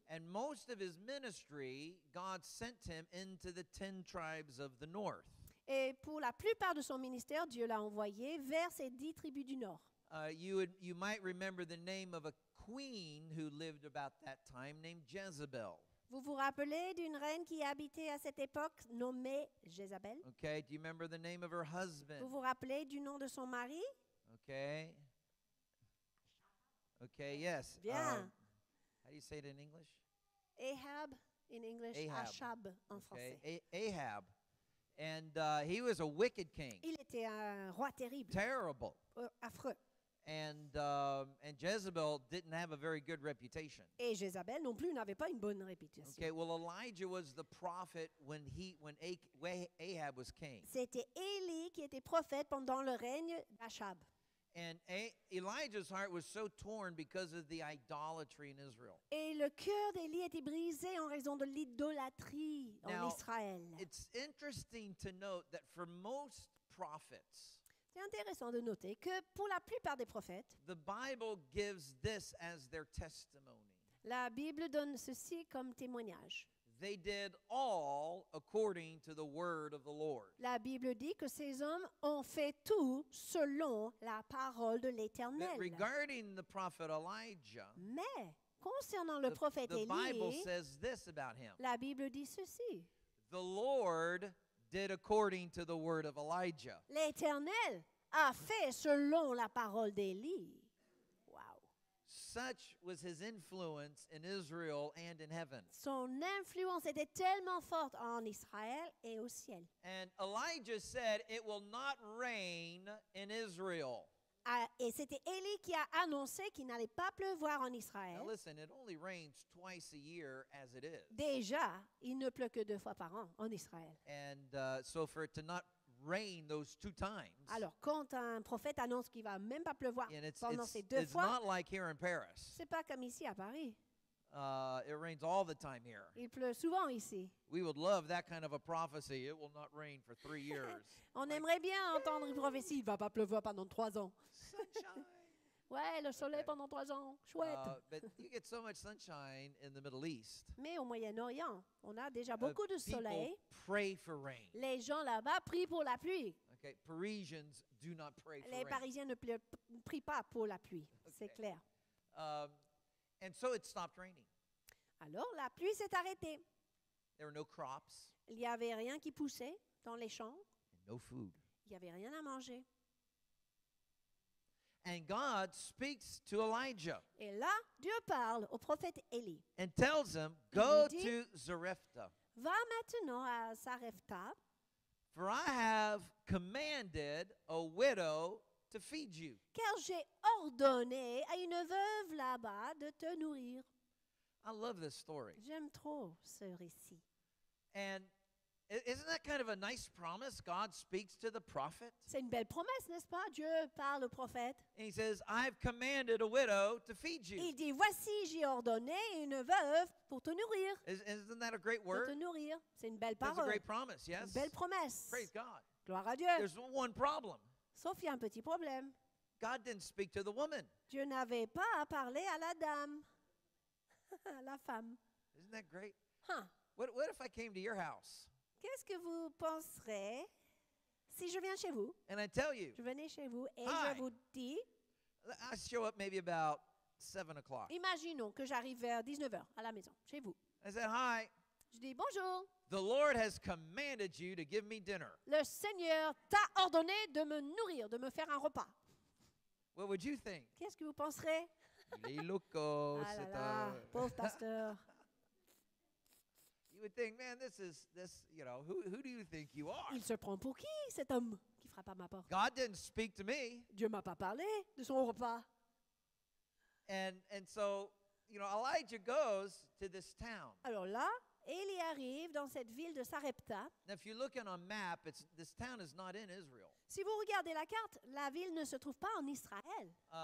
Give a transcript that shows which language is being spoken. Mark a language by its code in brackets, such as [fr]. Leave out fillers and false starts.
[en] And most of his ministry, God sent him into the 10 tribes of the north. [fr] Et pour la plupart de son ministère, Dieu l'a envoyé vers ces 10 tribus du nord. [en] You might remember the name of a queen who lived about that time named Jezebel. [fr] Vous vous rappelez d'une reine qui habitait à cette époque nommée Jézabel? [en] Okay, do you remember the name of her husband? [fr] Vous vous rappelez du nom de son mari? [en] Okay, yes. [fr] Bien. [en] How do you say it in English? Ahab in English. Ahab. [fr] Ahab en français. [en] Ahab. And he was a wicked king. [fr] Il était un roi terrible. [en] Terrible. [fr] Affreux. [en] And Jezebel didn't have a very good reputation. [fr] Et Jezabel non plus n'avait pas une bonne réputation. [en] Okay, well, Elijah was the prophet when Ahab was king. [fr] C'était Élie qui était prophète pendant le règne d'Ahab. [en] And Elijah's heart was so torn because of the idolatry in Israel. [fr] Et le cœur d'Élie était brisé en raison de l'idolâtrie en Israël. [en] Now, it's interesting to note that for most prophets, [fr] c'est intéressant de noter que pour la plupart des prophètes, [en] the Bible gives this as their testimony. [fr] La Bible donne ceci comme témoignage. [en] They did all according to the word of the Lord. [fr] La Bible dit que ces hommes ont fait tout selon la parole de l'Éternel. [en] That regarding the prophet Elijah, [fr] mais concernant le prophète Élie, [en] the Bible says this about him. [fr] La Bible dit ceci. [en] The Lord did according to the word of Elijah. [fr] L'Éternel a fait selon la parole d'Élie. Wow. [en] Such was his influence in Israel and in heaven. [fr] Son influence était tellement forte en Israël et au ciel. [en] And Elijah said, "It will not rain in Israel." [fr] Et c'était Élie qui a annoncé qu'il n'allait pas pleuvoir en Israël. [en] Now listen, it only rains twice a year as it is. [fr] Déjà, il ne pleut que deux fois par an en Israël. [en] And so for it to not rain those two times. [fr] Alors quand un prophète annonce qu'il va même pas pleuvoir pendant ces deux fois. [en] It's not like here in Paris. [fr] C'est pas comme ici à Paris. [en] It rains all the time here. [fr] Il pleut souvent ici. [en] We would love that kind of a prophecy. It will not rain for 3 years. [fr] On aimerait bien entendre une prophétie. Il va pas pleuvoir pendant 3 ans. [en] Sunshine. [fr] Ouais, le soleil pendant 3 ans. Chouette. [en] But you get so much sunshine in the Middle East. [fr] Mais au Moyen-Orient, on a déjà beaucoup de soleil. [en] People pray for rain. [fr] Les gens là-bas prient pour la pluie. [en] Okay, Parisians do not pray for rain. [fr] Les Parisiens ne prient pas pour la pluie. C'est clair. [en] And so it stopped raining. [fr] Alors la pluie s'est arrêtée. [en] There were no crops. [fr] Il n'y avait rien qui poussait dans les champs. [en] And no food. [fr] Il n'y avait rien à manger. [en] And God speaks to Elijah. [fr] Et là, Dieu parle au prophète Élie. [en] And tells him, go to Zarephath. [fr] Va maintenant à Zarephath. [en] For I have commanded a widow to feed you. [fr] Car j'ai ordonné à une veuve là-bas de te nourrir. [en] I love this story. [fr] J'aime trop ce récit. [en] And isn't that kind of a nice promise? God speaks to the prophet. [fr] C'est une belle promesse, n'est-ce pas? Dieu parle au prophète. [en] And he says, I've commanded a widow to feed you. [fr] Il dit, voici, j'ai ordonné une veuve pour te nourrir. [en] Isn't that a great word? [fr] Pour te nourrir. C'est une belle parole. [en] That's a great promise, yes? [fr] Une belle promesse. [en] Praise God. [fr] Gloire à Dieu. [en] There's one problem. [fr] Sauf qu'il y a un petit problème. [en] God didn't speak to the woman. [fr] Dieu n'avait pas parlé à la dame, à la femme. [en] Isn't that great? Huh. What if I came to your house? [fr] Qu'est-ce que vous penserez si je viens chez vous? [en] And I tell you. [fr] Je venais chez vous et [en] hi. [fr] Je vous dis. [en] I show up maybe about 7 o'clock. [fr] Imaginons que j'arrive vers 19h à la maison, chez vous. [en] I said hi. [fr] Je dis bonjour. [en] The Lord has commanded you to give me dinner. [fr] Le Seigneur t'a ordonné de me nourrir, de me faire un repas. [en] What would you think? [fr] Qu'est-ce que vous penserez? Les locaux, ah c'est là là, pauvre pasteur. [en] You would think, man, this is, you know, who do you think you are? [fr] Il se prend pour qui, cet homme qui frappe à ma porte? [en] God didn't speak to me. [fr] Dieu m'a pas parlé de son repas. [en] And so, you know, Elijah goes to this town. [fr] Alors là, Élie arrive dans cette ville de Zarephath. [en] Now, if you look on a map, this town is not in Israel. [fr] Si vous regardez la carte, la ville ne se trouve pas en Israël.